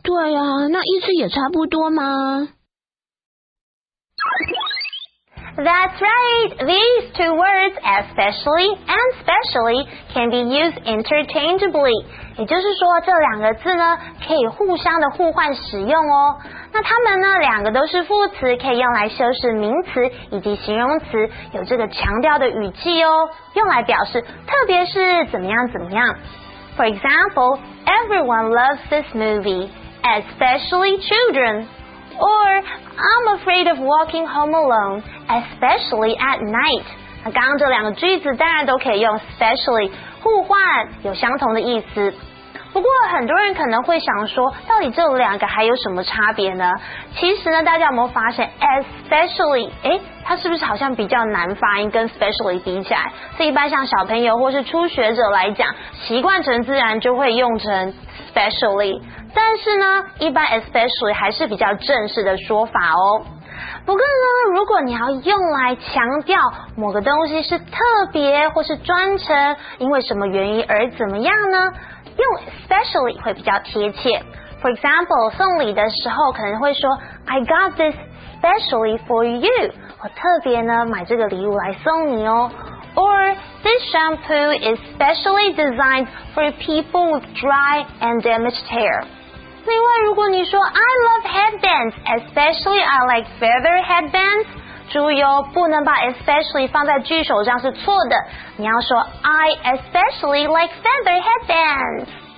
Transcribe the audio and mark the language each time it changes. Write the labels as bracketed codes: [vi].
[zh] 对啊，那意思也差不多吗？ [en] That's right! These two words, especially and specially, can be used interchangeably. [zh] 也就是说这两个字呢可以互相的互换使用哦。那它们呢两个都是副词，可以用来修饰名词以及形容词，有这个强调的语气哦，用来表示特别是怎么样怎么样。 [en] For example, everyone loves this movie, especially children. Or, I'm afraid of walking home alone, especially at night. [zh] 刚刚这两个句子当然都可以用 specially 互换，有相同的意思。不过很多人可能会想说，到底这两个还有什么差别呢？其实呢，大家有没有发现 especially 它是不是好像比较难发音，跟 specially 比起来，所以一般像小朋友或是初学者来讲，习惯成自然就会用成 specially。但是呢，一般 especially 还是比较正式的说法哦。不过呢，如果你要用来强调某个东西是特别或是专程，因为什么原因而怎么样呢？用 especially 会比较贴切。 [en] For example, [zh] 送礼的时候可能会说 [en] I got this specially for you. [zh] 我特别呢买这个礼物来送你哦。 [en] Or, this shampoo is specially designed for people with dry and damaged hair. [zh] 另外如果你说 [en] I love headbands, especially I like feather headbands, [zh] 注意哦，不能把 especially 放在句首上是错的，你要说 [en] I especially like feather headbands.